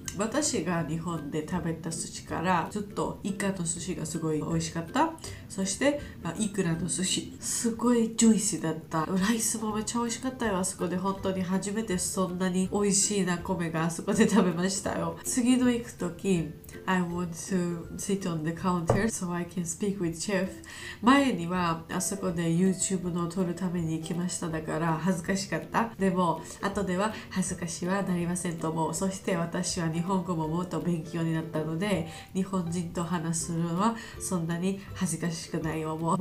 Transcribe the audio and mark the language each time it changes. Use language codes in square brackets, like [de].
[ja] 私が日本で食べた寿司からずっとイカの寿司がすごい美味しかった。そしてイクラの寿司すごいジューシーだった。ライスもめっちゃ美味しかったよあそこで。本当に初めてそんなに美味しいな米があそこで食べましたよ。次の行く時 [en] I want to sit on the counter so I can speak with chef. [ja] 前にはあそこで YouTube のを撮るために行きました。だから恥ずかしかった。でも後では恥ずかしはなりませんと思う。そして私は日本語ももっと勉強になったので、日本人と話するのはそんなに恥ずかしくない思う。